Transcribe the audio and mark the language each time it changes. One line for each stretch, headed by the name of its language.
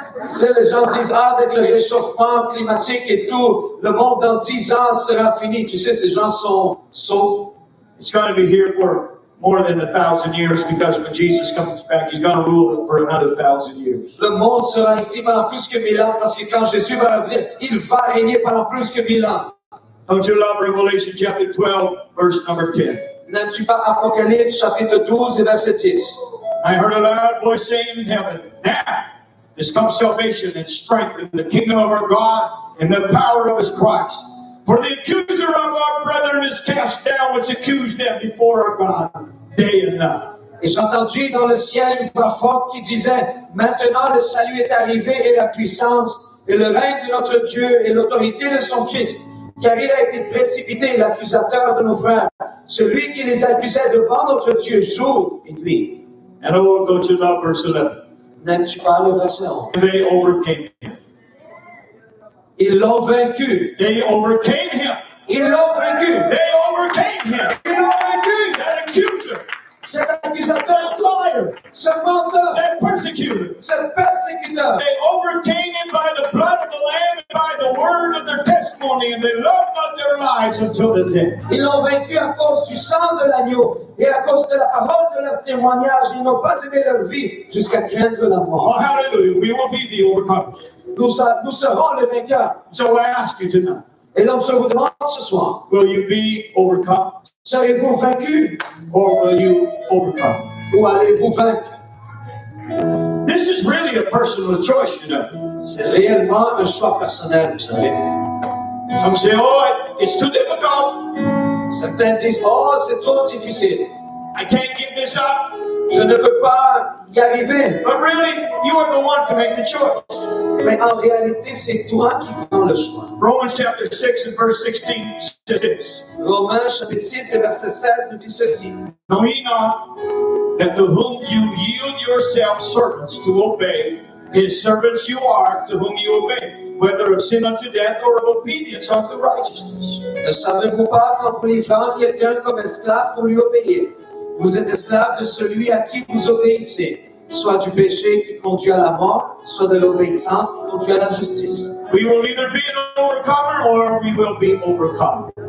French: c'est les gens disent avec le réchauffement climatique et tout, le monde dans 10 ans sera fini. Tu sais, ces gens sont.
English: It's going to be here for more than 1,000 years because when Jesus comes back, he's going to rule it for another 1,000 years.
French: Le monde sera ici pendant plus que 1,000 ans parce que quand Jésus va revenir, il va régner pendant plus que 1,000 ans.
English: Don't you love Revelation chapter 12, verse number 10?
French: N'aimes-tu pas Apocalypse chapitre 12 et verset 10?
English: I heard a loud voice saying in heaven, now is come salvation and strength in the kingdom of our God and the power of his Christ. For the accuser of our brethren is cast down, which accused them before our God day and night.
French: Et j'entendis dans le ciel une voix forte qui disait, maintenant le salut est arrivé et la puissance et le règne de notre Dieu et l'autorité de son Christ. Car il a été précipité, l'accusateur de nos frères, celui qui les accusait devant notre Dieu jour et nuit.
English: And I will go to that verse 11.
French: N'aimes-tu pas le verset 11?
English: They overcame him.
French: Ils l'ont vaincu.
English: They overcame him.
French: Ils l'ont vaincu.
English: They overcame him.
French: Ils l'ont vaincu.
English: That accuser.
French: Cet accusateur.
English: That liar.
French: Ce menteur.
English: That persecutor.
French: Ce persécuteur.
English: They overcame him by the blood of the Lamb and by the word of their testimony and the love of their lives until the day.
French: Ils l'ont vaincu à cause du sang de l'agneau. Et à cause de la parole de leur témoignage, ils n'ont pas aimé leur vie jusqu'à craindre la mort.
English: Oh, hallelujah. We will be the overcomers.
French: Nous serons les vainqueurs.
English: So I ask you tonight.
French: Et donc je vous demande ce soir.
English: Will you be overcome?
French: Serez-vous vaincu?
English: Or will you overcome?
French: Ou allez-vous vaincre?
English: This is really a personal choice, you know.
French: C'est réellement un choix personnel, vous savez.
English: Some say, oh, it's too difficult.
French: Certains disent, oh, c'est trop difficile.
English: I can't give this up.
French: Je ne peux pas y arriver.
English: But really, you are the one to make the choice.
French: Mais en réalité, c'est toi qui prends le choix.
English: Romans chapter 6 and verse 16 says this.
French: Romains chapitre 6 et verset 16 nous dit ceci.
English: Know ye not that to whom you yield yourselves servants to obey, his servants you are to whom you obey. Whether of sin unto death or of obedience unto righteousness.
French: Ne savez-vous pas qu'en vous livrant quelqu'un comme esclave pour lui obéir, vous êtes esclave de celui à qui vous obéissez, soit du péché qui conduit à la mort, soit de l'obéissance qui conduit à la justice.
English: We will either be an overcomer or we will be overcome.